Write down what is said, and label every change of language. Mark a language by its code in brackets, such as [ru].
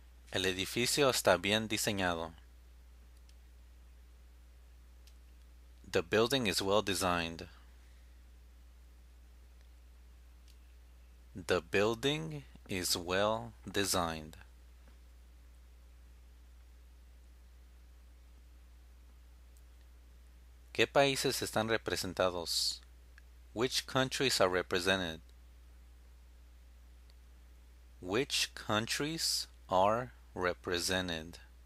[es] El edificio está bien diseñado. [en] The building is well designed. The building is well designed. [es] ¿Qué países están representados? [en] Which countries are represented? Which countries are represented?